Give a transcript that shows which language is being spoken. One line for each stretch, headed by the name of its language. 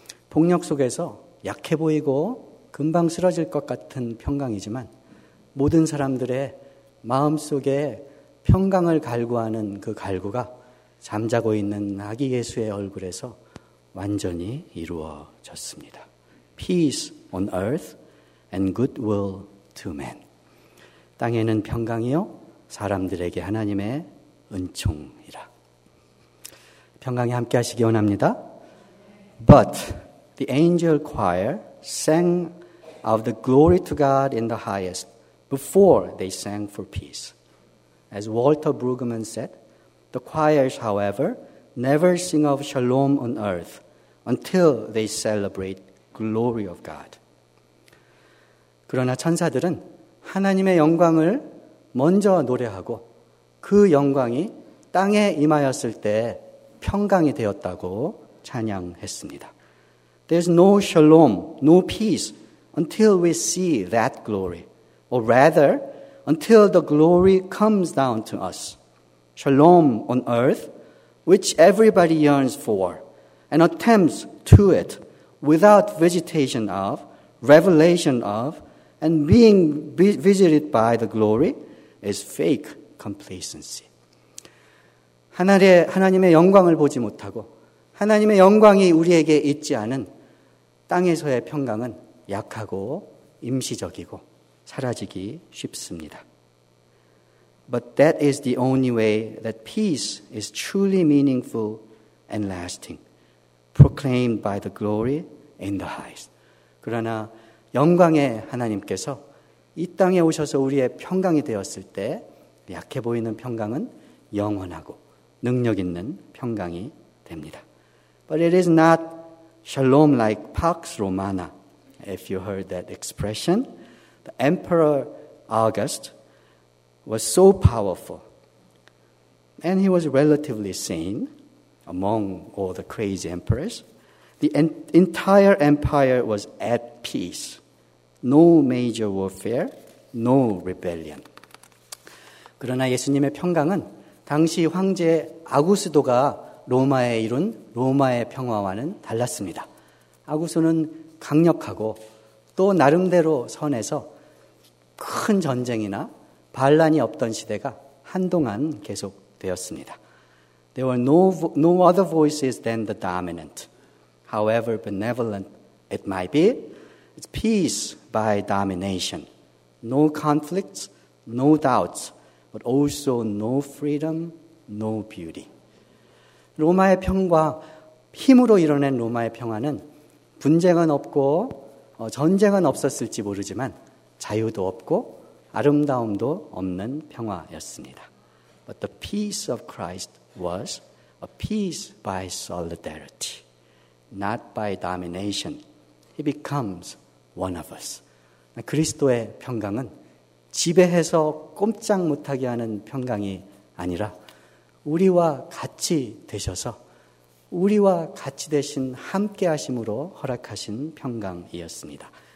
Korean: 폭력 속에서 약해 보이고 금방 쓰러질 것 같은 평강이지만 모든 사람들의 마음속에 평강을 갈구하는 그 갈구가 잠자고 있는 아기 예수의 얼굴에서 완전히 이루어졌습니다.
English: Peace on earth and goodwill to men.
Korean: 땅에는 평강이요 사람들에게 하나님의 은총이라. 평강이 함께 하시기 원합니다.
English: But the angel choir sang of the glory to God in the highest before they sang for peace. As Walter Brueggemann said, the choirs, however, never sing of shalom on earth until they celebrate glory of God.
Korean: 그러나 천사들은 하나님의 영광을 먼저 노래하고 그 영광이 땅에 임하였을 때 평강이 되었다고 찬양했습니다.
English: There's no shalom, no peace until we see that glory. Or rather, until the glory comes down to us. Shalom on earth, which everybody yearns for and attempts to it without visitation of, revelation of, and being visited by the glory is fake complacency.
Korean: 하나님의 영광을 보지 못하고 하나님의 영광이 우리에게 있지 않은 땅에서의 평강은 약하고 임시적이고 사라지기 쉽습니다.
English: But that is the only way that peace is truly meaningful and lasting, proclaimed by the glory in the highest.
Korean: 그러나 영광의 하나님께서 이 땅에 오셔서 우리의 평강이 되었을 때 약해 보이는 평강은 영원하고 능력 있는 평강이 됩니다.
English: But it is not shalom like Pax Romana. If you heard that expression, the Emperor August was so powerful and he was relatively sane among all the crazy emperors. The entire empire was at peace. No major warfare, no rebellion.
Korean: 그러나 예수님의 평강은 당시 황제 아구스도가 로마에 이룬 로마의 평화와는 달랐습니다. 아구스도는 강력하고 또 나름대로 선해서 큰 전쟁이나 반란이 없던 시대가 한동안 계속되었습니다.
English: There were no other voices than the dominant. However benevolent it might be, it's peace by domination. No conflicts, no doubts, but also no freedom, no beauty.
Korean: 로마의 평과 힘으로 이뤄낸 로마의 평화는 분쟁은 없고 전쟁은 없었을지 모르지만 자유도 없고 아름다움도 없는 평화였습니다.
English: But the peace of Christ was a peace by solidarity, not by domination. He becomes one of us.
Korean: 그리스도의 평강은 지배해서 꼼짝 못하게 하는 평강이 아니라 우리와 같이 되셔서 우리와 같이 되신 함께 하심으로 허락하신 평강이었습니다.